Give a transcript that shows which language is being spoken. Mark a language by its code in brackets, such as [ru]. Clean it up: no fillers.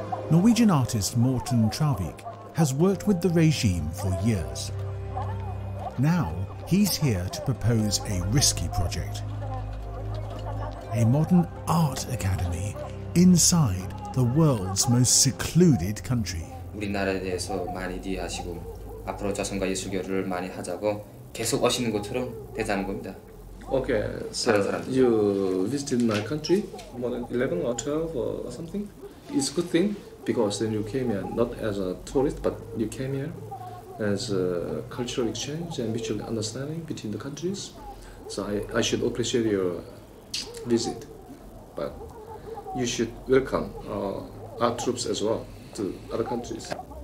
[en] Norwegian artist Morten Travik has worked with the regime for years. Now, he's here to propose a risky project. A modern art academy inside the world's most secluded country. [ko] 우리나라에 대해서 많이 이해하시고 앞으로 자선과 예술교류를 많이 하자고 계속 오시는 것처럼 되자는 겁니다. [en] Okay, so you visited my country more than 11 or 12 or something. It's a good thing because then you came here not as a tourist, but you came here as a cultural exchange and mutual understanding between the countries. So I should appreciate your visit, but you should welcome our troops as well to other countries.